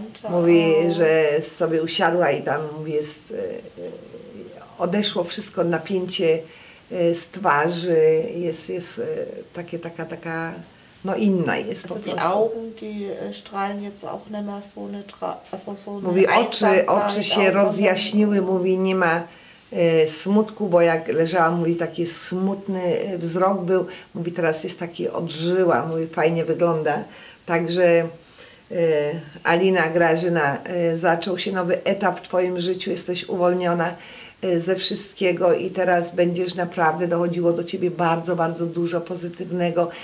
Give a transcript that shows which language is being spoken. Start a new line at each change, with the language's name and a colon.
Polish: Mówi, że sobie usiadła i tam jest, odeszło wszystko napięcie z twarzy, jest taka no inna jest
German: also
Polish: po prostu.
German: Die Augen, die strahlen jetzt auch nicht mehr so eine
Polish: mówi, oczy się rozjaśniły, mówi, nie ma smutku, bo jak leżała, mówi, taki smutny wzrok był, mówi, teraz jest taki odżyła, mówi, fajnie wygląda. Także Alina Grażyna, zaczął się nowy etap w twoim życiu, jesteś uwolniona ze wszystkiego i teraz będziesz naprawdę dochodziło do ciebie bardzo, bardzo dużo pozytywnego.